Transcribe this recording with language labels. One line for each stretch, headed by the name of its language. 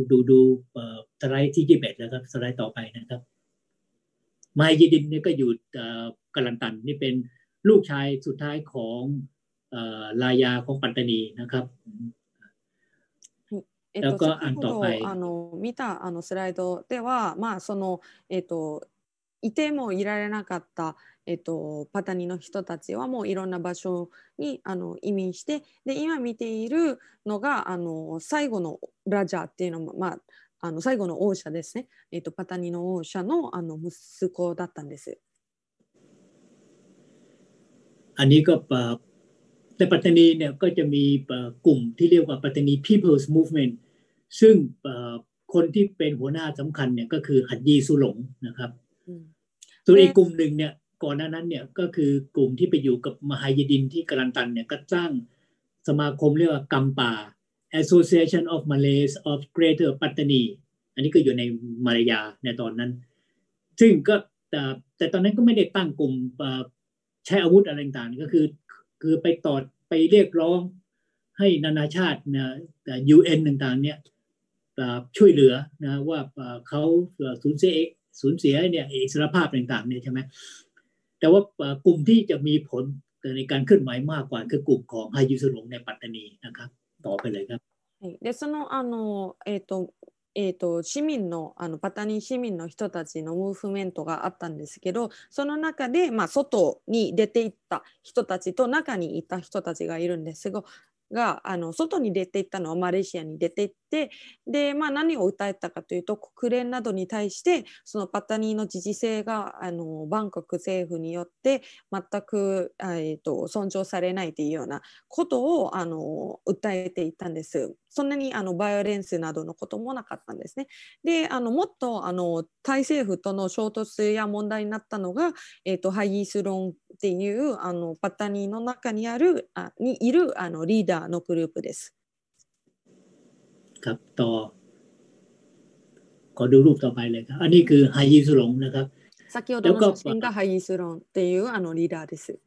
Thai: ดูสไลด์ที่21แล้วครับสไลด์ต่อไปนะครับมายีดินเนี่ยก็อยู่กาลันตันนี่เป็นลูกชายสุดท้ายของลายาของปัตตานีนะครับแล้วก็อันต่อไป
Japanese: สไลด์ではまあそのいてもいられなかった、パタニの人たちはもういろんな場所にあの移民して、で今見ているのがあの最後のラジャーっていうのも、まあ、あの最後の王者ですね、パタニの王者 の, あの息子だったんです。あれがでパタニはこちらにグム
Thai: ที่เรียกว่าパタニ People's Movement ซึ่งคนที่เป็นหัวหน้าสำคัญเนี่ยก็คือฮัดยีซุหลงนะครับ ตัวอีกกลุ่มหนึ่งเนี่ยก่อนหน้านั้นเนี่ยก็คือกลุ่มที่ไปอยู่กับมหายดินที่กาลันตันเนี่ยก็สร้างสมาคมเรียกว่ากัมปา Association of Malays of Greater Patani อันนี้ก็อยู่ในมาลายาในตอนนั้นซึ่งก็แต่ตอนนั้นก็ไม่ได้ตั้งกลุ่มใช้อาวุธอะไรต่างๆก็คือไปเรียกร้องให้นานาชาติเนี่ย UN ต่างๆเนี่ย ช่วยเหลือนะว่าเขาสูญเสียเนี่ยอิสรภาพต่างๆเนี่ยใช่ไหมแต่ว่ากลุ่มที่จะมีผลในการเคลื่อนไหวมากกว่าคือกลุ่มของฮายูสุลงในปัตตานีนะครับต่อไปเลยครับ
Japanese: でそのあの市民のあのパタニ市民の人たちのムーブメントがあったんですけど、その中でまあ外に出ていった人たちと中にいた人たちがいるんですが。があの外に出ていったのはマレーシアに出ていって、で、まあ、何を訴えたかというと、国連などに対してそのパタニーの自治性があのバンコク政府によって全く尊重されないというようなことをあの訴えていたんです。そんなにあのバイオレンスなどのこともなかったんですね。で、あのもっとあのタイ政府との衝突や問題になったのが、ハイイスロンっていうあのパタニーの中にあるあにいるあのリーダーのグループです。
Thai: ครับต่อ ขอดูรูปต่อไปเลยครับ อันนี้คือハイイスロンนะครับ
Japanese: 先ほどの写真がハイイスロンっていうあのリーダーです。